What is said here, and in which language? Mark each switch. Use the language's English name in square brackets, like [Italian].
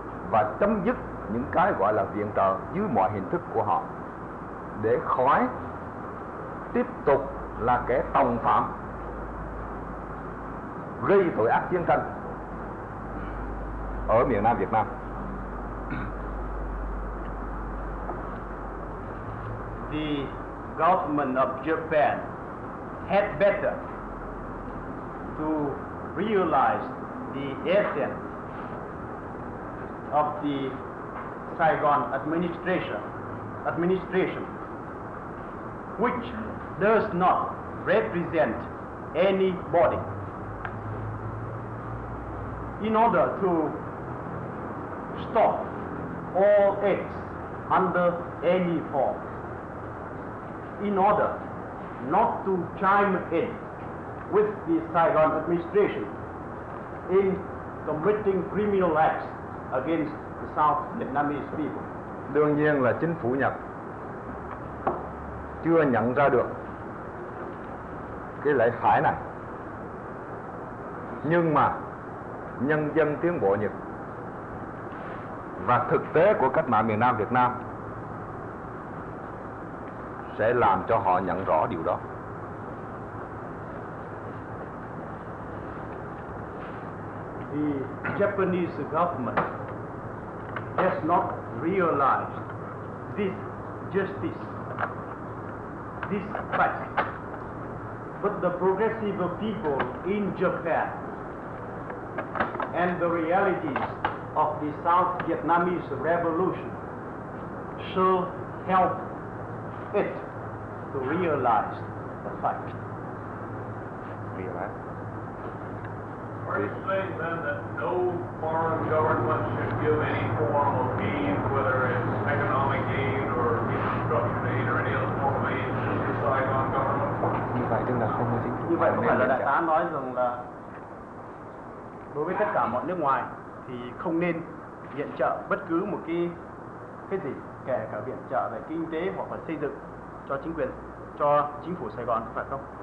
[Vietnamese] và chấm dứt những cái gọi là viện trợ dưới mọi hình thức của họ, để khỏi tiếp tục là kẻ tòng phạm gây tội ác chiến tranh ở miền Nam Việt Nam. [English] The government of Japan had better to realize the extent of the Saigon administration, which does not represent anybody. In order to stop all acts under any form, in order not to chime in with the Saigon administration in committing criminal acts against the South Vietnamese people. [Vietnamese] Đương nhiên là chính phủ Nhật chưa nhận ra được cái lễ khải này. Nhưng mà nhân dân tiến bộ Nhật và thực tế của cách mạng miền Nam Việt Nam sẽ làm cho họ nhận rõ điều đó. [English] The Japanese government has not realized this justice, this fact. But the progressive people in Japan and the realities of the South Vietnamese Revolution shall help it to realize the fact. Realize. Are you saying then that no foreign government should give any form of aid, whether it's economic aid or reconstruction aid or any other form of aid, to the Saigon government? [Vietnamese] Như vậy tức là không có chính. Như vậy không phải là đại tá nói rằng là đối với tất cả mọi nước ngoài thì không nên viện trợ bất cứ một cái gì, kể cả viện trợ về kinh tế hoặc là xây dựng cho chính quyền, cho chính phủ Sài Gòn, phải không?